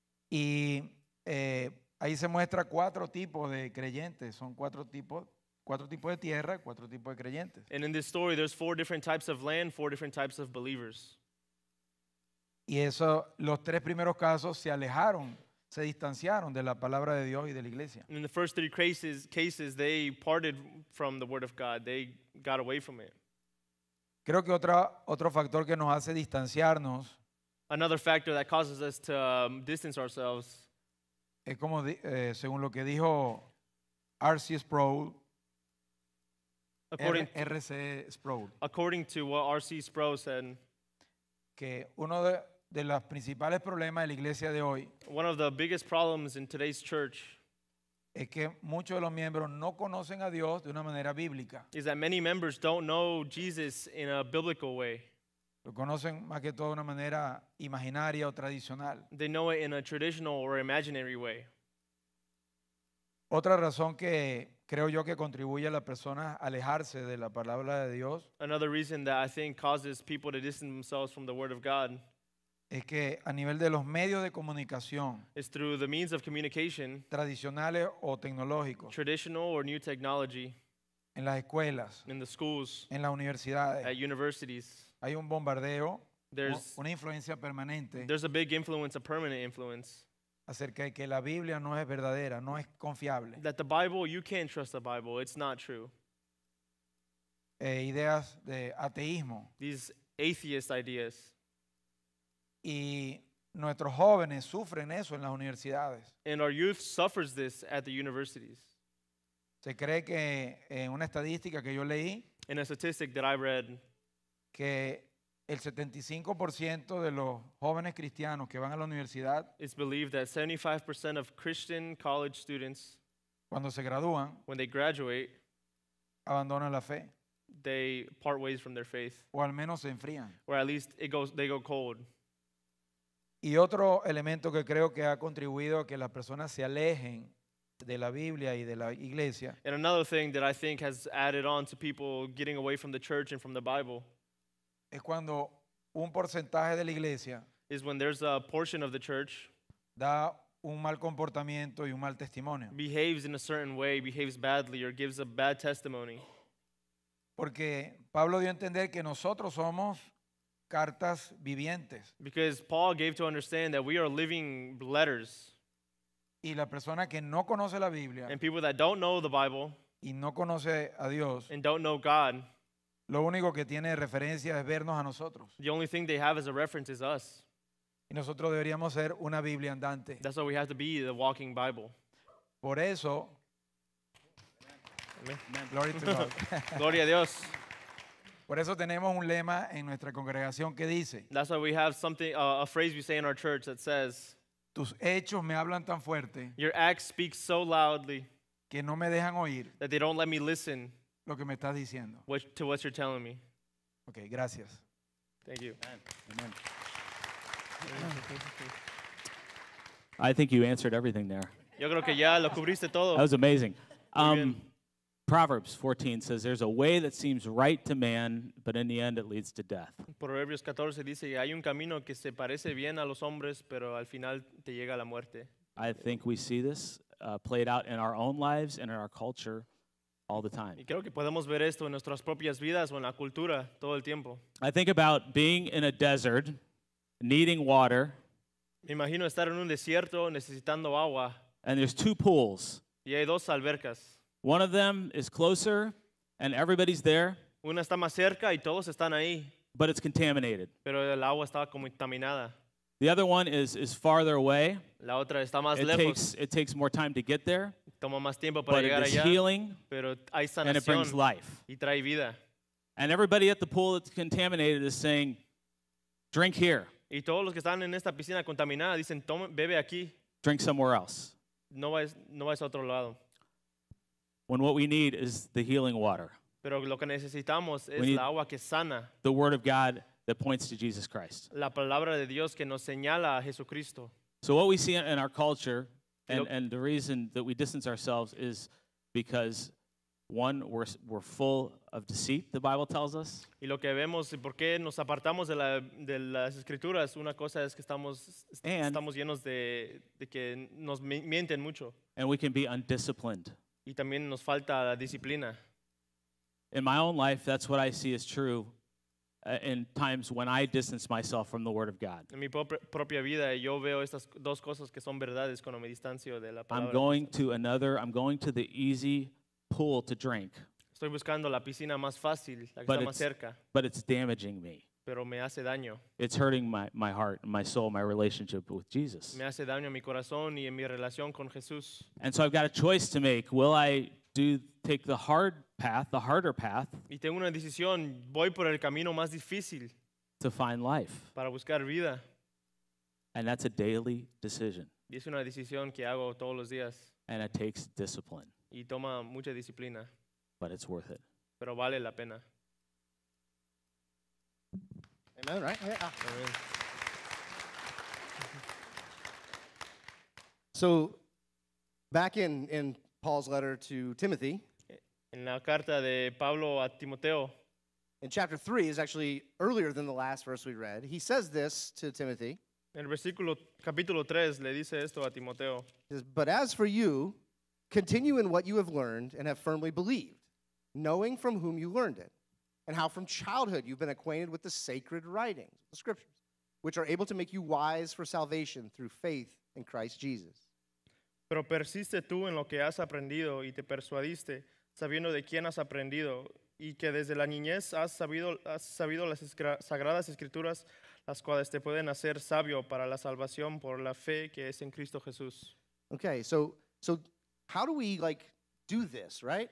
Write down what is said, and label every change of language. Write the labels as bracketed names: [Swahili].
[Spanish] Y ahí se muestra cuatro tipos de creyentes. Son cuatro tipos de tierra, cuatro tipos de creyentes. [English] And in this story, there's four different types of land, four different types of believers. [Spanish] Y eso, los tres primeros casos se alejaron, se distanciaron de la palabra de Dios y de la iglesia. [English] In the first three cases, they parted from the word of God. They got away from it. [Spanish] Creo que otro factor que nos hace distanciarnos. [English] Another factor that causes us to distance ourselves. [Spanish] Es como según lo que dijo R.C. Sproul, R.C. Sproul. [English] According to what R.C. Sproul said, [Spanish] que uno de los principales problemas de la iglesia de hoy, [English] one of the biggest problems in today's church, [Spanish] es que muchos de los miembros no conocen a Dios de una manera bíblica. [English] Is that many members don't know Jesus in a biblical way. [Spanish] Lo conocen más que todo de una manera imaginaria o tradicional. [English] They know it in a traditional or imaginary way. [Spanish] Otra razón que creo yo que contribuye a las personas a alejarse de la palabra de Dios. [English] Another reason that I think causes people to distance themselves from the word of God. [Spanish] Es que a nivel de los medios de comunicación, [English] it's through the means of communication, [Spanish] tradicionales o tecnológicos, [English] traditional or new technology, [Spanish] en las escuelas, [English] in the schools, [Spanish] en las universidades, [English] at universities, [Spanish] hay un bombardeo, [English] there's, [Spanish] una influencia permanente, [English] there's a big influence, a permanent influence, [Spanish] acerca de que la Biblia no es verdadera, no es confiable. [English] That the Bible, you can't trust the Bible, it's not true. [Spanish] Ideas de ateísmo. [English] These atheist ideas. [Spanish] Y nuestros jóvenes sufren eso en las universidades. [English] And our youth suffers this at the universities. [Spanish] Se cree que en una estadística que yo leí, [English] in a statistic that I read, [Spanish] que el 75% de los jóvenes cristianos que van a la universidad, [English] it's believed that 75% of Christian college students, [Spanish] cuando se gradúan, [English] when they graduate, [Spanish] abandonan la fe. [English] They part ways from their faith. [Spanish] O al menos se enfrían. [English] Or at least it goes, they go cold. [Spanish] Y otro elemento que creo que ha contribuido a que las personas se alejen de la Biblia y de la iglesia. [English] And another thing that I think has added on to people getting away from the church and from the Bible. [Spanish] Es cuando un porcentaje de la iglesia. [English] Is when there's a portion of the church. [Spanish] Da un mal comportamiento y un mal testimonio. [English] Behaves in a certain way, behaves badly, or gives a bad testimony. [Spanish] Porque Pablo dio a entender que nosotros somos cartas vivientes. [English] Because Paul gave to understand that we are living letters. [Spanish] Y la persona que no conoce la Biblia, [English] and people that don't know the Bible, [Spanish] y no conoce a Dios, [English] and don't know God, [Spanish] lo único que tiene de referencia es vernos a nosotros. [English] The only thing they have as a reference is us. [Spanish] Y nosotros deberíamos ser una Biblia andante. [English] That's why we have to be the walking Bible. [Spanish] Por eso, [English] amen. Glory to God. [Spanish] Gloria a Dios. Por eso tenemos un lema en nuestra congregación que dice, [English] that's why we have something, a phrase we say in our church that says, [Spanish] tus hechos me hablan tan fuerte, [English] your acts speak so loudly, [Spanish] que no me dejan oír, [English] that they don't let me listen, [Spanish] lo que me estás diciendo, [English] which, to what you're telling me. [Spanish] Okay, gracias. [English] Thank you. Amen. I think you answered everything there. [Spanish] Yo creo que ya lo cubriste todo. [English] That was amazing. Proverbs 14 says, "There's a way that seems right to man, but in the end, it leads to death." [Spanish] Proverbios 14 dice, "Hay un camino que se parece bien a los hombres, pero al final te llega la muerte." [English] I think we see this played out in our own lives and in our culture all the time. [Spanish] Y creo que podemos ver esto en nuestras propias vidas o en la cultura todo el tiempo. [English] I think about being in a desert, needing water. [Spanish] Me imagino estar en un desierto necesitando agua. [English] And there's two pools. [Spanish] Y hay dos albercas. [English] One of them is closer, and everybody's there. [Spanish] Una está más cerca y todos están ahí. [English] But it's contaminated. [Spanish] Pero el agua está contaminada. [English] The other one is farther away. [Spanish] La otra está más lejos. [English] It takes more time to get there. [Spanish] Toma más tiempo para llegar allá. [English] But it is healing, [Spanish] pero hay sanación, [English] and it brings life. [Spanish] Y trae vida. [English] And everybody at the pool that's contaminated is saying, "Drink here." [Spanish] Y todos los que están en esta piscina contaminada dicen, "Toma, bebe aquí." [English] Drink somewhere else. [Spanish] No vas a otro lado. [English] When what we need is the healing water. [Spanish] Pero lo que necesitamos es la agua que sana. [English] The word of God that points to Jesus Christ. [Spanish] La palabra de Dios que nos señala a Jesucristo. [English] So what we see in our culture, and the reason that we distance ourselves is because, one, we're full of deceit, the Bible tells us. [Spanish] Y lo que vemos y por qué nos apartamos de las escrituras, una cosa es que estamos llenos de que nos mienten mucho. [English] And we can be undisciplined. [Spanish] Y también nos falta la disciplina. [English] In my own life, that's what I see is true in times when I distance myself from the word of God. [Spanish] En mi propia vida yo veo estas dos cosas que son verdades cuando me distancio de la palabra. [English] I'm going to the easy pool to drink. [Spanish] Estoy buscando la piscina más fácil, la que está más cerca. [English] But it's damaging me. [Spanish] Pero me hace daño. [English] It's hurting my heart, my soul, my relationship with Jesus. [Spanish] Me hace daño en mi corazón y en mi relación con Jesús. [English] And so I've got a choice to make. Will I take the hard path, the harder path? [Spanish] Y tengo una decisión. Voy por el camino más difícil. [English] To find life. [Spanish] Para buscar vida. [English] And that's a daily decision. [Spanish] Y es una decisión que hago todos los días. [English] And it takes discipline. [Spanish] Y toma mucha disciplina. [English] But it's worth it. [Spanish] Pero vale la pena. [English] Amen, right? Yeah. Amen. So, back in Paul's letter to Timothy. [Spanish] En la carta de Pablo a Timoteo. [English] In chapter 3, is actually earlier than the last verse we read. He says this to Timothy. [Spanish] En el versículo, capítulo 3, le dice esto a Timoteo. [English] He says, but as for you, continue in what you have learned and have firmly believed, knowing from whom you learned it, and how from childhood you've been acquainted with the sacred writings, the scriptures, which are able to make you wise for salvation through faith in Christ Jesus. [Spanish] Pero persiste tú en lo que has aprendido y te persuadiste, sabiendo de quién has aprendido, y que desde la niñez has sabido las sagradas escrituras, las cuales te pueden hacer sabio para la salvación por la fe que es en Cristo Jesús. [English] Okay, so how do we like do this, right?